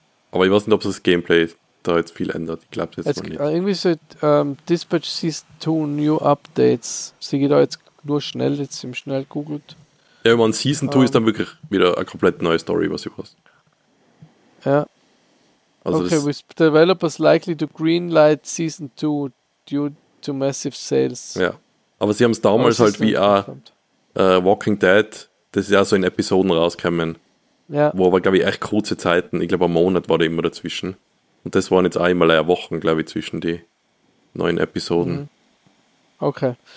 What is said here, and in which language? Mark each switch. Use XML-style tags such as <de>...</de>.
<de>Aber ich weiß nicht, ob das Gameplay da jetzt viel ändert. Ich glaube, jetzt wohl nicht. Irgendwie so, Dispatch Season 2 New Updates. Sie geht da jetzt nur schnell, jetzt im schnell googelt. Ja, ich meine, Season 2 ist dann wirklich wieder eine komplett neue Story, was ich weiß. Ja. Also okay,</de> <en>with developers likely to greenlight Season 2 due to massive sales.</en> <de>Ja, aber sie haben es damals halt wie auch Walking Dead, das ist ja so in Episoden rausgekommen, ja. Wo aber, glaube ich, echt kurze Zeiten, ich glaube, ein Monat war da immer dazwischen. Und das waren jetzt einmal eine Woche, glaube ich, zwischen die neuen Episoden. Mhm. Okay.</de>